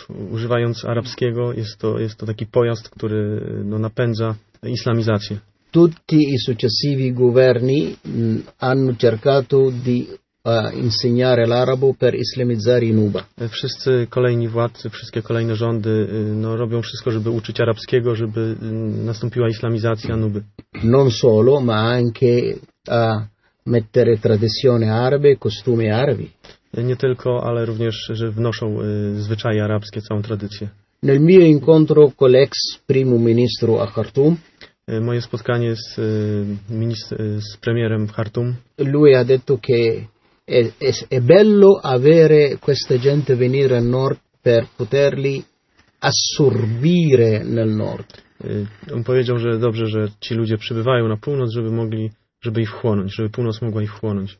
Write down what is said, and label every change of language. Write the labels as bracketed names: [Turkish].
[Polish] Używając arabskiego jest to taki pojazd, który napędza islamizację. [Italian] Tutti i successivi governi hanno cercato di insegnare l'arabo per islamizzare i nuba. [Polish] Wszyscy kolejni władcy, wszystkie kolejne rządy no, robią wszystko, żeby uczyć arabskiego, żeby nastąpiła islamizacja nuby. [Italian] Non solo, ma anche a mettere tradizione arabe, costumi arabi. [Polish] Nie tylko, ale również, że wnoszą zwyczaje arabskie, całą tradycję. [Italian] Nel mio incontro con l'ex primo ministro a Khartoum. [Polish] Moje spotkanie z premierem w Khartoum. [Italian] Lui ha detto che è bello avere questa gente venire al nord per poterli assorbire nel nord. [Polish] On powiedział, że dobrze, że ci ludzie przybywają na północ, żeby mogli, żeby ich wchłonąć, żeby północ mogła ich wchłonąć.